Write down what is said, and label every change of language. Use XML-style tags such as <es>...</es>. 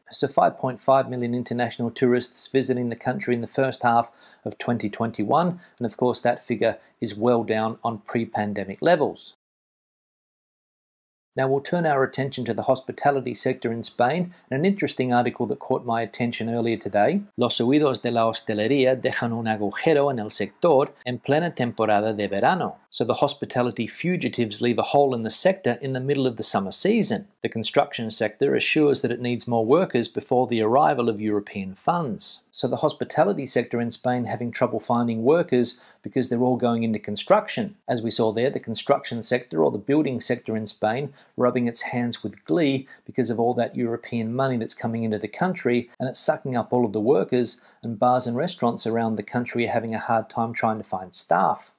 <en>So 5.5 million international tourists visiting the country in the first half of 2021, and of course that figure is well down on pre-pandemic levels. Now we'll turn our attention to the hospitality sector in Spain, and an interesting article that caught my attention earlier today.</en> <es>Los huidos de la hostelería dejan un agujero en el sector en plena temporada de verano.</es> <en>So the hospitality fugitives leave a hole in the sector in the middle of the summer season. The construction sector assures that it needs more workers before the arrival of European funds. So the hospitality sector in Spain having trouble finding workers because they're all going into construction. As we saw there, the construction sector or the building sector in Spain rubbing its hands with glee because of all that European money that's coming into the country, and it's sucking up all of the workers, and bars and restaurants around the country are having a hard time trying to find staff.</en>